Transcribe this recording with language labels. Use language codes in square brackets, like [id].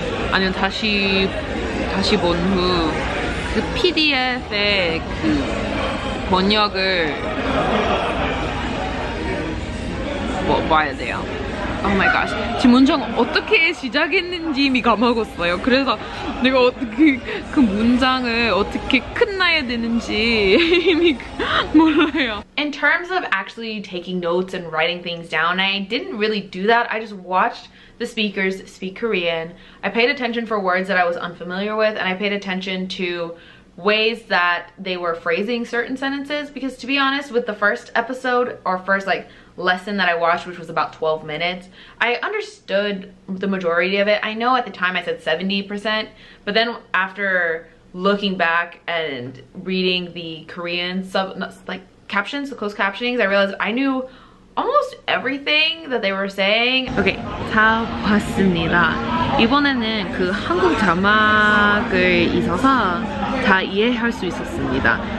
[ko] 아니면 다시 본 후 그 PDF의 그 번역을 봐야 돼요. [en] Oh my gosh. [ko] 지 문장 어떻게 시작했는지 이미 까먹었어요. 그래서 내가 어떻게 그 문장을 어떻게 끝나야 되는지 이미 몰라요. [en] In terms of actually taking notes and writing things down, I didn't really do that. I just watched the speakers speak Korean. I paid attention for words that I was unfamiliar with, and I paid attention to ways that they were phrasing certain sentences. Because to be honest, with the first episode or first like lesson that I watched, which was about 12 minutes, I understood the majority of it. I know at the time I said 70%, but then after looking back and reading the Korean sub like captions, the closed captionings, I realized I knew almost everything that they were saying. [ko] Okay, 다 봤습니다. 이번에는 그 한국 자막을 있어서 다 이해할 수 있었습니다.